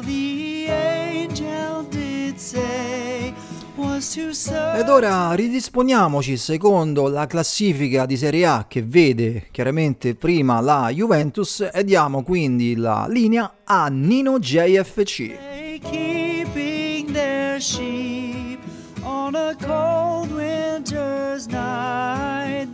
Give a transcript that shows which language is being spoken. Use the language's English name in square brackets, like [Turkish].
[English] the angel did say was to serve. [Italian] Ed ora ridisponiamoci secondo la classifica di Serie A, che vede chiaramente prima la Juventus, e diamo quindi la linea a Nino JFC. [English] Keeping their sheep on a cold winter's night